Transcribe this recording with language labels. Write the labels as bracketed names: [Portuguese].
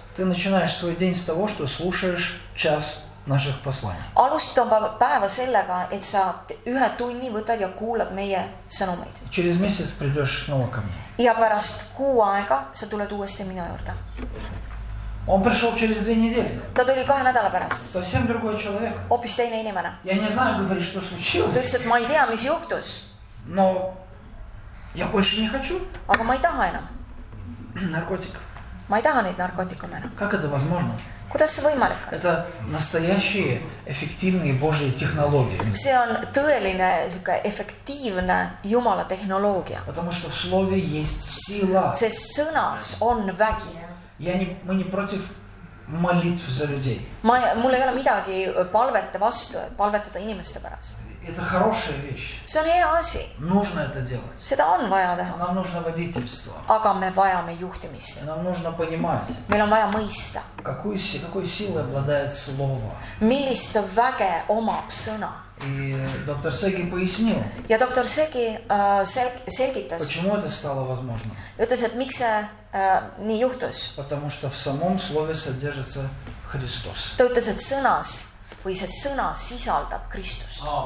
[Russian] Ты начинаешь свой день с того, что слушаешь час наших посланий. [Estonian] Alustab päeva sellega, et sa ühe tunni võtad ja kuulad meie sõnumeid. [Russian] Через месяц придёшь снова ко мне. [Estonian] Ja pärast kuu aega sa tuled uuesti minu juurde. [Russian] Он пришёл через 2 недели. [Estonian] Ta tuli kahe nädala pärast. [Russian] Совсем другой человек. [Estonian] Hoopis teine inimene. [Russian] Я не знаю, говорит, что случилось. То есть, [Estonian] ma ei tea, mis juhtus. [Russian] Но Я больше не хочу. [Estonian] Aga ma ei taha enam. [Russian] Наркотиков. [Estonian] Ma ei taha neid narkootikume enam. [Russian] Как это возможно? [Estonian] Kuidas see võimalik on? [Russian] Это настоящие эффективные Божьи технологии. [Estonian] See on tõeline siuke efektiivne Jumala tehnoloogia. [Russian] Потому что в слове есть сила. [Estonian] Sest sõnas on vägi. [Russian] Мы не против молитв за людей. [Estonian] Mul ei ole midagi palvete vastu, palvetada inimeste pärast. [Russian] Это хорошая вещь. [Estonian] See on hea asi. [Russian] Нужно это делать. [Estonian] Seda on vaja teha. [Russian] Нам нужно водительство. [Estonian] Aga me vajame juhtimist. [Russian] Нам нужно понимать. [Estonian] Meil on vaja mõista. [Russian] Какой силой обладает слово. [Estonian] Millist väge omab sõna. [Russian] И доктор Сеги пояснил. [Estonian] Ja доктор Сеги selgitas. [Russian] Почему это стало возможно? [Estonian] Ütles, et miks see nii juhtus. [Russian] Потому что в самом слове содержится Христос. [Estonian] Ta ütles, et sõnas Kui see sõna sisaldab Kristust.